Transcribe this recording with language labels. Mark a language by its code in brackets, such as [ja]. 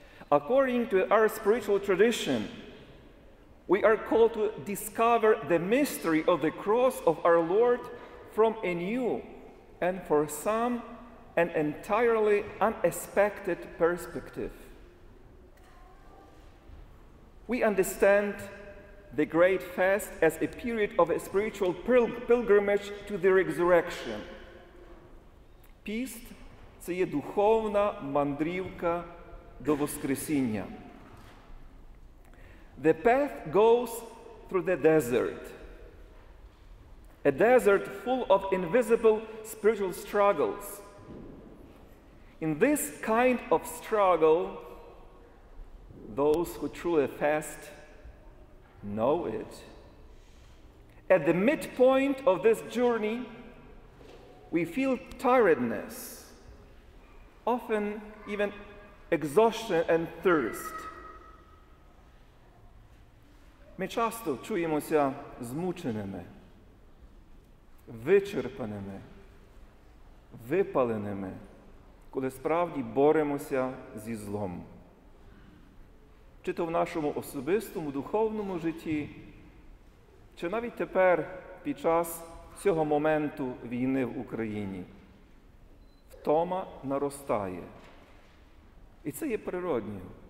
[en] According to our spiritual tradition, we are called to discover the mystery of the cross of our Lord from a new and, for some, an entirely unexpected perspective. We understand the Great Fast as a period of a spiritual pilgrimage to the resurrection. [uk] Піст – це є духовна мандрівка до Воскресіння. [en] The path goes through the desert. A desert full of invisible spiritual struggles. In this kind of struggle, those who truly fast know it. At the midpoint of this journey, we feel tiredness, often even exhaustion and thirst. [uk] Ми часто чуємося змученими, вичерпаними, випаленими, коли справді боремося зі злом. Чи то в нашому особистому духовному житті, чи навіть тепер, під час цього моменту війни в Україні, втома наростає. І це є природньо.